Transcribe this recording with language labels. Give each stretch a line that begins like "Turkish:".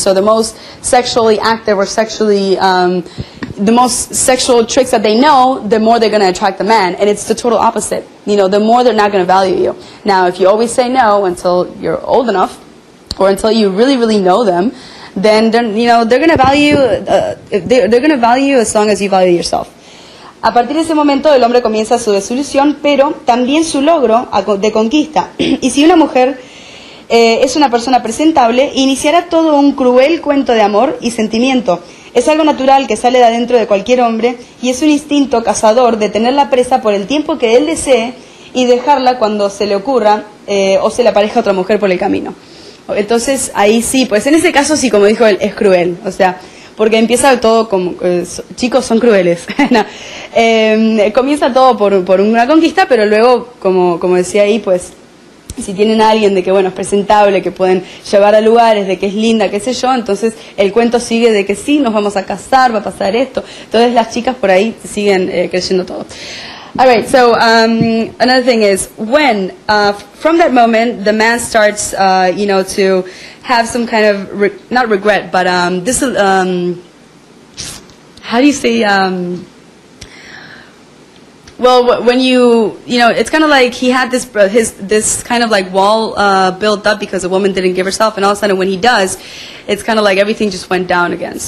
English: So the most sexually active or sexually, the most sexual tricks that they know, the more they're going to attract the man. And it's the total opposite. You know, the more they're not going to value you. Now, if you always say no until you're old enough, or until you really, really know them, then, you know, they're going to value, they're going to value you as long as you value yourself.
Spanish: A partir de ese momento, el hombre comienza su desilusión, pero también su logro de conquista. Y si una mujer es una persona presentable, iniciará todo un cruel cuento de amor y sentimiento. Es algo natural que sale de adentro de cualquier hombre y es un instinto cazador de tener la presa por el tiempo que él desee y dejarla cuando se le ocurra o se le aparezca otra mujer por el camino. Entonces, ahí sí, pues en ese caso sí, como dijo él, es cruel. O sea, porque empieza todo como... chicos, son crueles. No. Comienza todo por una conquista, pero luego, como decía ahí, pues... Si tienen a alguien de que, bueno, es presentable, que pueden llevar a lugares, de que es linda, qué sé yo, entonces el cuento sigue de que sí, nos vamos a casar, va a pasar esto. Entonces las chicas por ahí siguen creyendo todo.
English: All right, so another thing is, when, from that moment, the man starts, you know, to have some kind of, not regret, but this, how do you say, well, when you know, it's kind of like he had this kind of like wall built up because a woman didn't give herself, and all of a sudden when he does, it's kind of like everything just went down again.